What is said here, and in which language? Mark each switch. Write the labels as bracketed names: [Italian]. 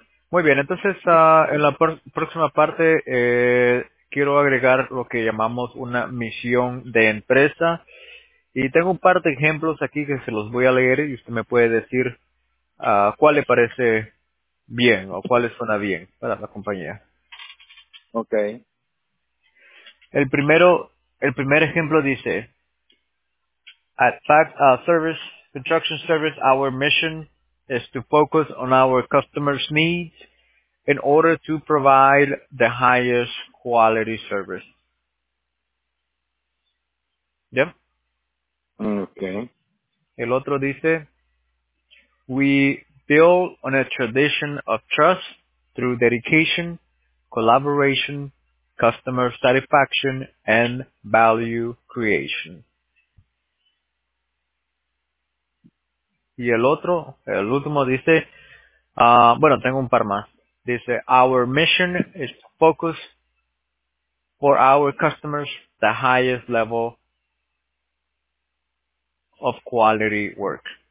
[Spanish] Muy bien, entonces en la próxima parte quiero agregar lo que llamamos una misión de empresa. Y tengo un par de ejemplos aquí que se los voy a leer y usted me puede decir cuál le parece bien o cuál le suena bien para la compañía. [English] Okay. [Spanish] El primer ejemplo dice, [English] at Fact Service, Construction Service, our mission is to focus on our customers' needs in order to provide the highest quality service. [Spanish] ¿Ya? [English] Okay. [Spanish] El otro dice, [English] we build on a tradition of trust through dedication, collaboration, customer satisfaction and value creation. [Spanish] Y el último dice, bueno, tengo un par más. Dice, [English] our mission is to focus for our customers the highest level of quality work.